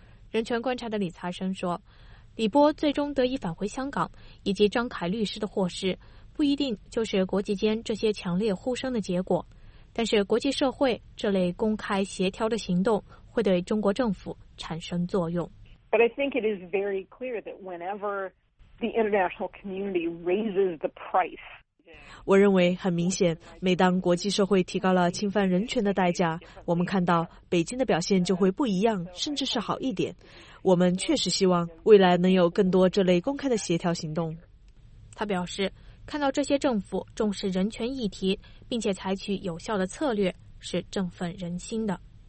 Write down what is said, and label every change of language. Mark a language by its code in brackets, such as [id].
[zh] 人权观察的李查生说，李波最终得以返回香港以及张凯律师的获释不一定就是国际间这些强烈呼声的结果，但是国际社会这类公开协调的行动会对中国政府产生作用。 [en] But I think it is very clear that whenever the international community raises the price， [zh] 我认为很明显，每当国际社会提高了侵犯人权的代价，我们看到北京的表现就会不一样，甚至是好一点。我们确实希望未来能有更多这类公开的协调行动。他表示，看到这些政府重视人权议题，并且采取有效的策略，是振奋人心的。